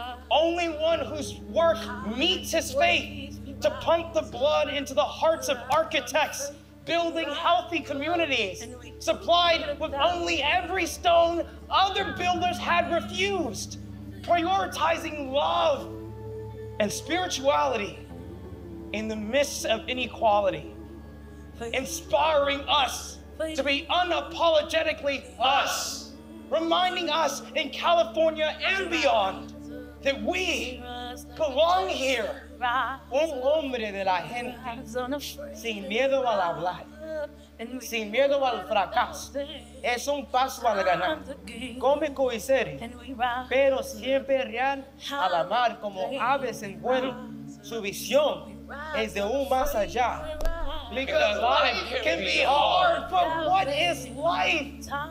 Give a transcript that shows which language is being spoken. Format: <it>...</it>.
<en>Only one whose work meets his faith to pump the blood into the hearts of architects, building healthy communities, supplied with only every stone other builders had refused, prioritizing love and spirituality in the midst of inequality, inspiring us to be unapologetically us, reminding us in California and beyond that we belong here.</en> <es>Un hombre de la gente, sin miedo al hablar, sin miedo al fracaso, es un paso al ganar. Cómico y serio, pero siempre real al amar como aves en vuelo. Su visión es de un más allá.</es> <en>Because life can be hard, but what is life</en>